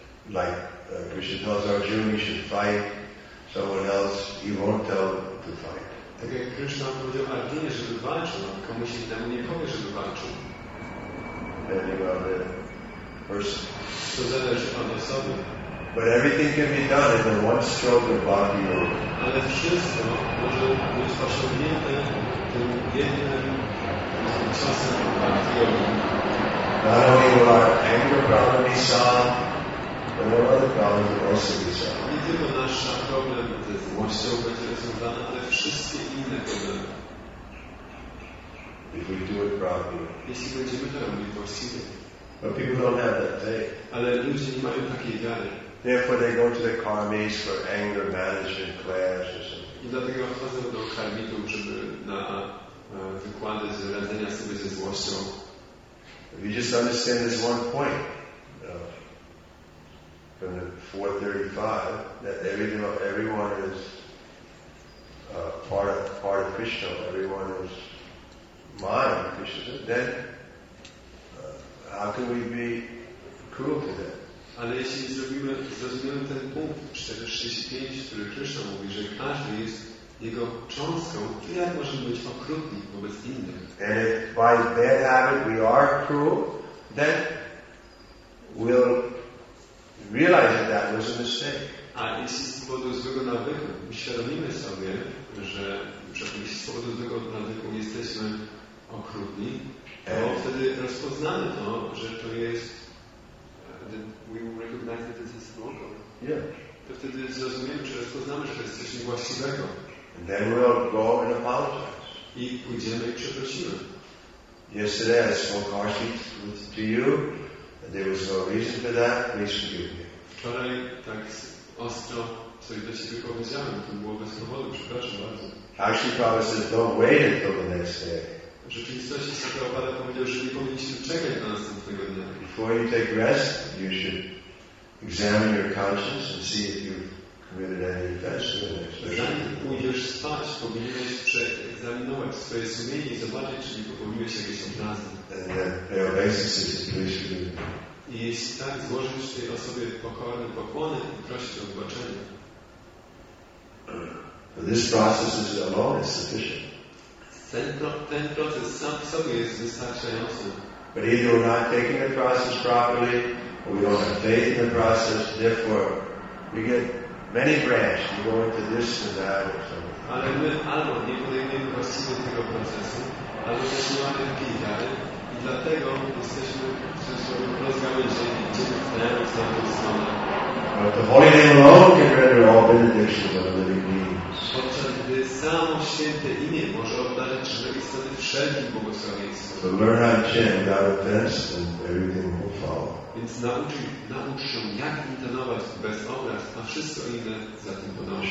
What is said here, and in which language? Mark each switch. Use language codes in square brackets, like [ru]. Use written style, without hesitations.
[en] Like Krishna tells Arjuna, you should fight. Someone else, he won't tell to fight. [pl] Tak jak Krishna powiedział Arjunie, żeby walczył, a komuś innemu nie powie, żeby walczył. [en] Depending on the person. [pl] To zależy od osoby. [en] But everything can be done in the one stroke of Bhakti Yoga. [pl] Ale wszystko może być osiągnięte tym jednym czasem Bhakti Yoga. [en] Not only will our anger problem be solved, but our other problems will also be solved. [pl] Nie tylko nasz problem ze złością będzie rozwiązany, ale wszystkie inne problemy. [en] If we do it properly. [pl] Jeśli będziemy to robić właściwie. [en] But people don't have that faith. [pl] Ale ludzie nie mają takiej wiary. [en] Therefore, they go to the karmis for anger management class or something. If you just understand this one point from the 435, that everyone is part of Krishna, everyone is mine, Krishna, then how can we be cruel to them? [pl] Ale jeśli zrozumiemy ten punkt 465, który Krishna mówi, że każdy jest jego cząstką, to jak możemy być okrutni wobec innych? [en] And if by bad habit we are cruel, then we'll realize that was a mistake. [pl] A jeśli z powodu złego nawyku uświadomimy sobie, że przecież z powodu złego nawyku jesteśmy okrutni, to wtedy rozpoznamy to, że to jest. [en] We will recognize that this is wrong. Yeah. [pl] To wtedy zrozumiemy, czy rozpoznamy, że to jest coś niewłaściwego. [en] And then we'll go and apologize. [pl] I pójdziemy i przeprosimy. [en] Yesterday I spoke harshly to you, and there was no reason for that. Please forgive me. [pl] Wczoraj tak ostro coś do siebie powiedziałem, to było bez powodu. Przepraszam bardzo. [en] Actually, Prabhupada says, don't wait until the next day. [pl] W rzeczywistości Prabhupada powiedział, że nie powinniśmy czekać na następnego dnia. [en] Before you take rest, you should examine your conscience and see if you've committed any offenses. [pl] Zanim pójdziesz spać, powinieneś przeegzaminować swoje sumienie i zobaczyć, czy nie popełniłeś jakieś obrazy. [en] And then pay obeisance to please forgive me. [pl] I jeśli tak, złożyć tej osobie pokorne pokłony i prosić o wybaczenie. [en] For this process is alone is sufficient. [pl] Ten proces sam w sobie jest wystarczający. [en] But either we're not taking the process properly, or we don't have faith in the process, therefore we get many branches. We go into this and that or something. [pl] Ale my albo nie podejmiemy właściwie tego procesu, albo też nie mamy takiej wiary i dlatego jesteśmy rozgałęzieni, idziemy w tę lub tamtą stronę. [en] But the Holy Name alone can render all benedictions of a living being. [pl] Podczas gdy samo święte imię może oddać żywe istoty wszelkim błogosławieństwom. [en] So learn how to chant without offense and everything will follow. [pl] Więc naucz się, jak intonować bez obraz, a wszystko inne za tym podąży.